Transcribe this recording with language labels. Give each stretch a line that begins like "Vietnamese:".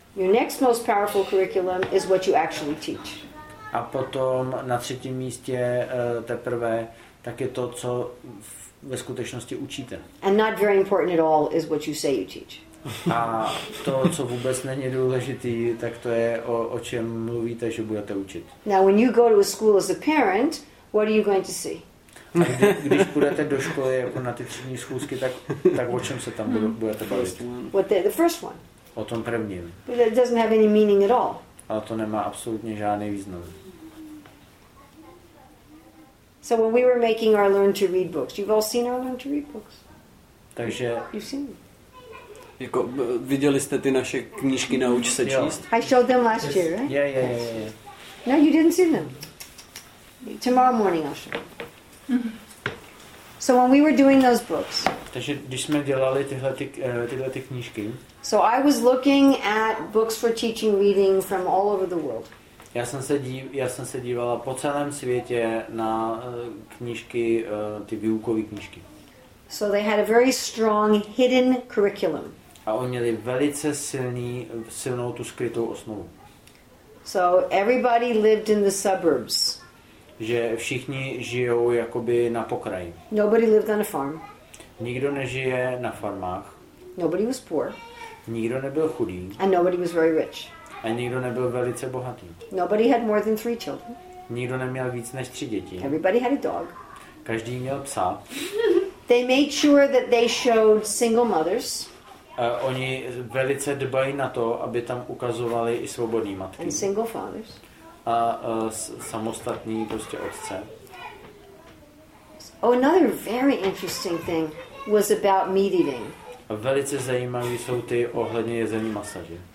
English: Your next most powerful curriculum is what you actually teach.
Czech: A potom na třetím místě teprve tak je to, co ve skutečnosti učíte.
English: And not very important at all is what you say you teach.
Czech: A to, co vůbec není důležitý, tak to je o čem mluvíte, že budete učit.
English: Now when you go to a school as a parent, what are you going to see?
Czech: Když půjdete do školy jako na ty třídní schůzky, tak o čem se tam budete bavit?
English: What the first one?
Czech: O tom prvním.
English: But it doesn't have any meaning at all.
Czech: Ale to nemá absolutně žádný význam.
English: So when we were making our learn to read books, you've all seen our learn to read books.
Czech: Takže
English: you've seen them.
Czech: Jako viděli jste ty naše knížky Nauč se číst?
English: I showed them last year, right? Yeah. No, you didn't see them. Tomorrow morning I'll show. So when we were doing those books.
Czech: Takže když jsme dělali tyhle ty knížky.
English: So I was looking at books for teaching reading from all over the world.
Czech: Já jsem se dívala po celém světě na knížky, ty výukové knížky.
English: So they had a very strong hidden curriculum.
Czech: A oni měli velice silnou tu skrytou osnovu.
English: So everybody lived in the suburbs.
Czech: Že všichni žijou jakoby na pokraji.
English: Nobody lived on a farm.
Czech: Nikdo nežije na farmách.
English: Nobody was poor.
Czech: Nikdo nebyl chudý.
English: And nobody was very rich.
Czech: A nikdo nebyl velice bohatý.
English: Nobody had more than 3 children.
Czech: Nikdo neměl víc než 3 děti.
English: Everybody had a dog.
Czech: Každý měl psa.
English: They made sure that they showed single mothers.
Czech: Oni velice dbají na to, aby tam ukazovali i svobodné matky.
English: And single fathers.
Czech: A samostatný prostě otce.
English: Oh, another very interesting thing was about meat eating.
Czech: A velice zajímavý jsou ty ohledně jezení masa, že?